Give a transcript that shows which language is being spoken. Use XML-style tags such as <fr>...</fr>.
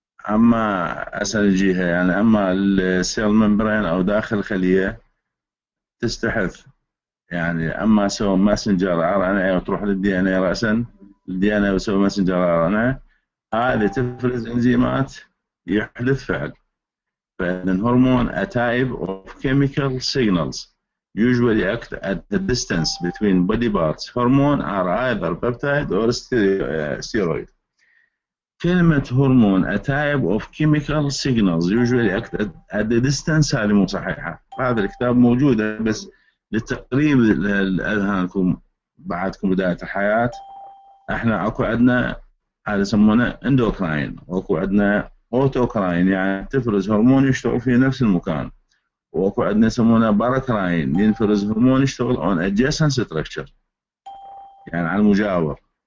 <ar>أما أسهل جهة يعني أما السيل ممبرين أو داخل الخلية تستحث يعني أما سو ماسنجر آر إن إيه وتروح للدي إن إيه رأساً، للدي إن إيه وسو ماسنجر آر إن إيه، هذه تفرز إنزيمات يحدث فعل.</ar> <en>فإذن هرمون a type of chemical signals usually act at the distance between body parts. Hormone are either peptide or steroid.</en> <ar>كلمة hormone a type of chemical signals usually act at the distance هذه مو صحيحة. هذا الكتاب موجود بس للتقريب لأذهانكم بعدكم بداية الحياة. احنا اكو عندنا هذا يسمونه endocrine، واكو عندنا autocrine يعني تفرز هرمون يشتغل في نفس المكان، وأكو عندنا يسمونه باراكراين ينفرز هرمون يشتغل on adjacent structure يعني على المجاور.</ar>